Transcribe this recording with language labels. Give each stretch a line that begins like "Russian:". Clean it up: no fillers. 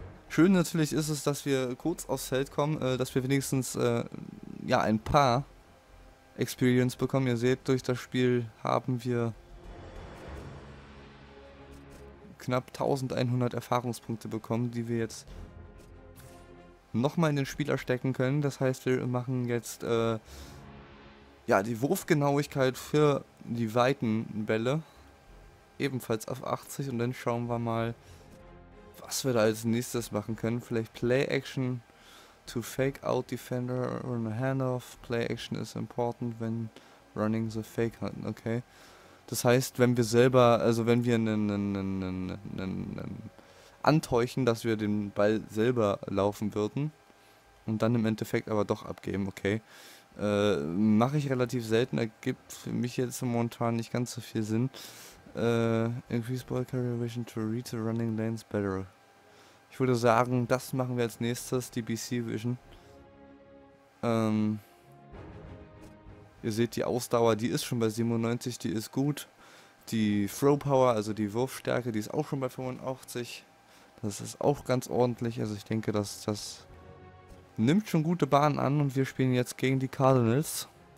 German: Schön natürlich ist es, dass wir kurz aufs Feld kommen, dass wir wenigstens ja, ein paar Experience bekommen. Ihr seht, durch das Spiel haben wir knapp 1100 Erfahrungspunkte bekommen, die wir jetzt nochmal in den Spieler stecken können. Das heißt, wir machen jetzt ja, die Wurfgenauigkeit für die weiten Bälle ebenfalls auf 80 und dann schauen wir mal, was wir da als nächstes machen können. Vielleicht
English: Play Action to fake out defender on a handoff. Play Action is important when running the fake hunt, okay?
German: Das heißt, wenn wir selber, also wenn wir einen antäuschen, dass wir den Ball selber laufen würden und dann im Endeffekt aber doch abgeben, okay? Mache ich relativ selten, ergibt für mich jetzt momentan nicht ganz so viel Sinn.
English: Increase ball carrier vision to read the running lanes better.
German: Ich würde sagen, das machen wir als nächstes, die BC Vision. Ihr seht, die Ausdauer, die ist schon bei 97, die ist gut. Die Throw Power, also die Wurfstärke, die ist auch schon bei 85. Das ist auch ganz ordentlich, also ich denke, dass das nimmt schon gute Bahnen an und wir spielen jetzt gegen die Cardinals.